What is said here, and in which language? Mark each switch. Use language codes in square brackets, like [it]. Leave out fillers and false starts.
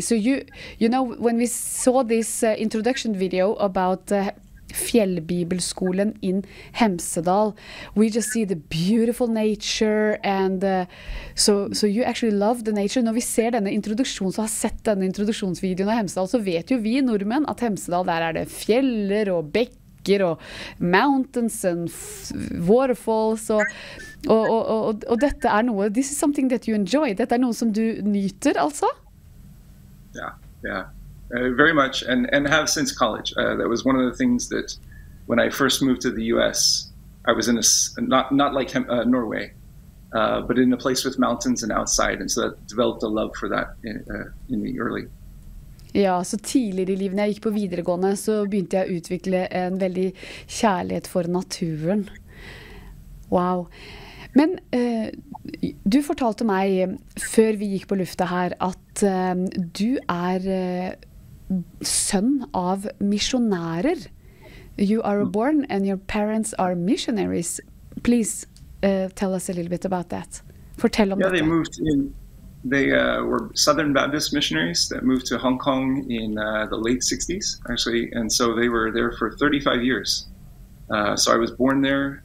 [en] So you know, when we saw this introduction video about Fjellbibelskolen in Hemsedal, we just see the beautiful nature, and so you actually love the nature. [no] Når vi ser denne introduksjonen, så har sett denne introduksjonsvideoen av Hemsedal, så vet jo vi nordmenn at Hemsedal, der er det fjeller og bekker og [en] mountains and waterfalls [no] og... Og dette er noe, [en] this is something that you enjoy. [no] Dette er noe som du nyter, altså? [en] Yeah, very much, and have since college. That was one of the things that, when I first moved to the US, I was in a, not like Norway, but in a place with mountains and outside, and so that developed a love for that in the early. [no] Ja, så tidligere i livet, når jeg gikk på videregående, så begynte jeg å utvikle en veldig kjærlighet for naturen. Wow. Men du fortalte meg før vi gikk på lufta her at du er sønn av misjonærer. [en] You are born and your parents are missionaries. Please tell us a little bit about that. Fortell om dette. They were Southern Baptist missionaries that moved to Hong Kong in the late 60s, actually. And so they were there for 35 years. So I was born there.